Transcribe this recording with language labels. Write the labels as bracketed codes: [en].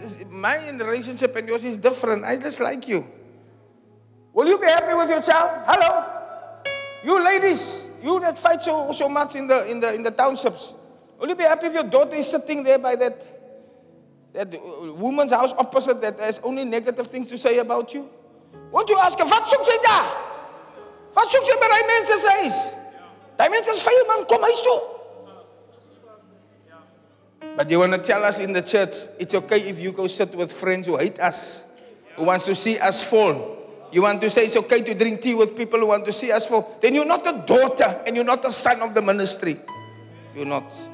[en] My relationship and yours is different. I just like you. Will you be happy with your child? Hello? You ladies, you that fight so much in the townships, will you be happy if your daughter is sitting there by that woman's house opposite that has only negative things to say about you? Won't you ask her, [af] wat soek jy daar? Wat soek jy by die mense se huis? Die mense is vuil man, kom huis toe. [en] But you want to tell us in the church, it's okay if you go sit with friends who hate us, who wants to see us fall. You want to say it's okay to drink tea with people who want to see us fall. Then you're not a daughter and you're not a son of the ministry. You're not.